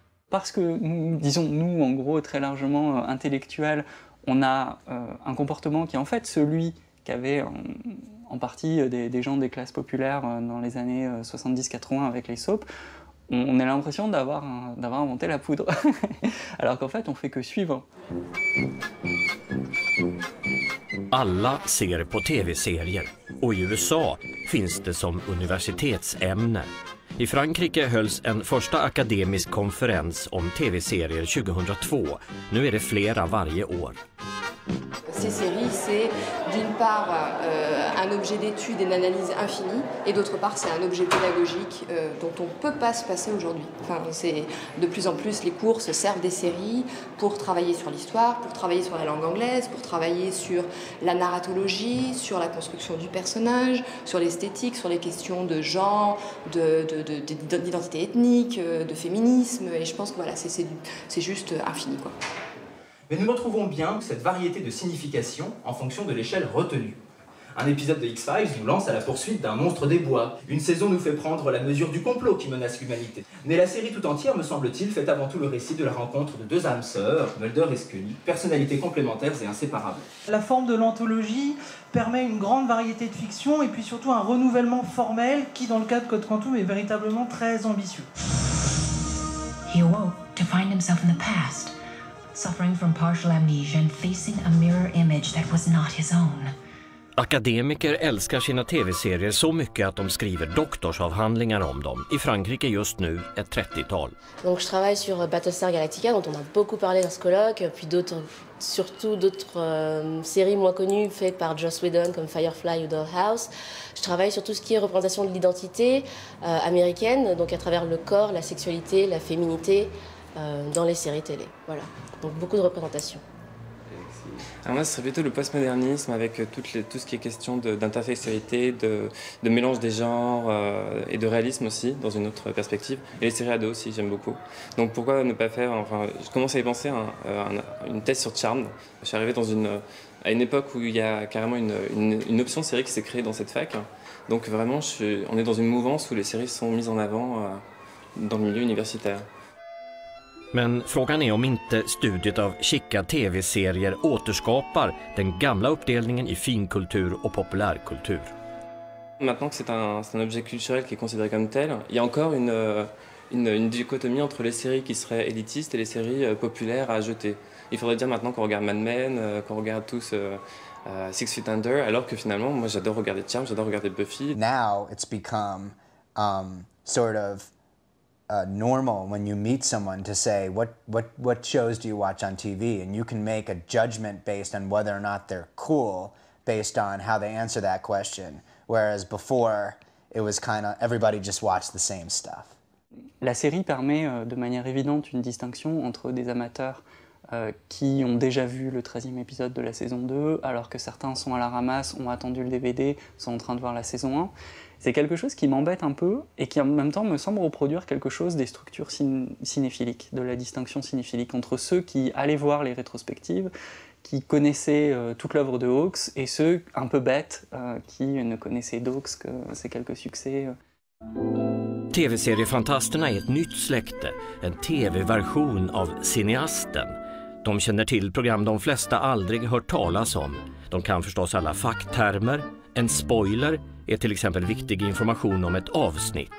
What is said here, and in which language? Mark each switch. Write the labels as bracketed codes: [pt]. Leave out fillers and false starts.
[fr] Parce que nous, en gros, très largement intellectuels, on a un comportement qui est en fait celui qu'avait en partie des gens des classes populaires dans les années 70-80 avec les soaps. On a l'impression d'avoir inventé la poudre, alors qu'en fait, on fait que suivre. [sv] Alla ser på tv-serier, och i USA finns det som universitetsämne. I Frankrike hölls en första akademisk konferens om tv-serier 2002. Nu är det flera varje år. [fr] Ces séries, c'est d'une part un objet d'étude et d'analyse infini, et d'autre part, c'est un objet pédagogique dont on ne peut pas se passer aujourd'hui. Enfin, c'est de plus en plus, les cours se servent des séries pour travailler sur l'histoire, pour travailler sur la langue anglaise, pour travailler sur la narratologie, sur la construction du personnage, sur l'esthétique, sur les questions de genre, d'identité ethnique, de féminisme, et je pense que voilà, c'est juste infini, quoi. Mais nous retrouvons bien cette variété de signification en fonction de l'échelle retenue. Un épisode de X-Files nous lance à la poursuite d'un monstre des bois. Une saison nous fait prendre la mesure du complot qui menace l'humanité. Mais la série tout entière, me semble-t-il, fait avant tout le récit de la rencontre de deux âmes sœurs, Mulder et Scully, personnalités complémentaires et inséparables. La forme de l'anthologie permet une grande variété de fiction et puis surtout un renouvellement formel qui, dans le cas de Code Quantum, est véritablement très ambitieux. [en] He awoke to find himself in the past, suffering from partial amnesia and facing a mirror image that was not his own. [sv] Akademiker älskar sina tv-serier så mycket att de skriver doktorsavhandlingar om dem. I Frankrike just nu ett 30-tal. [fr] Donc je travaille sur Battlestar Galactica dont on a beaucoup parlé dans ce colloque puis d'autres surtout d'autres séries moins connues faites par Joss Whedon comme Firefly ou Dollhouse. Je travaille sur tout ce qui est représentation de l'identité américaine donc à travers le corps, la sexualité, la féminité dans les séries télé. Voilà. Donc beaucoup de représentations. Alors moi, ce serait plutôt le postmodernisme avec tout ce qui est question d'intersexualité, de mélange des genres et de réalisme aussi, dans une autre perspective. Et les séries ados aussi, j'aime beaucoup. Donc pourquoi ne pas faire, enfin, je commence à y penser, une thèse sur Charmed. Je suis arrivé à une époque où il y a carrément une option série qui s'est créée dans cette fac. Donc vraiment, on est dans une mouvance où les séries sont mises en avant dans le milieu universitaire. [sv] Men frågan är om inte studiet av chicka tv-serier återskapar den gamla uppdelningen i finkultur och populärkultur. [fr] Maintenant que c'est un objet culturel qui est considéré comme tel, il y a encore une dichotomie entre les séries qui seraient élitistes et les séries populaires à jeter. Il faudrait dire maintenant qu'on regarde Mad Men, qu'on regarde tous Six Feet Under, alors que finalement moi j'adore regarder Charmed, j'adore regarder Buffy. [en] Now it's become sort of normal when you meet someone to say what shows do you watch on TV, and you can make a judgment based on whether or not they're cool based on how they answer that question, whereas before it was kind of everybody just watched the same stuff. [fr] La série permet de manière évidente une distinction entre des amateurs qui ont déjà vu le 13e épisode de la saison 2 alors que certains sont à la ramasse, ont attendu le DVD, sont en train de voir la saison 1. C'est quelque chose qui m'embête un peu et qui en même temps me semble reproduire quelque chose des structures cinéphiliques, de la distinction cinéphilique entre ceux qui allaient voir les rétrospectives, qui connaissaient toute l'œuvre de Hawks, et ceux un peu bêtes qui ne connaissaient d'Hawks que ces quelques succès. [sv] TV-seriefantasterna är ett nytt släkte, en TV-version av cineasten. De känner till program de flesta aldrig hört talas om. De kan förstås alla facktermer, en spoiler är till exempel viktig information om ett avsnitt.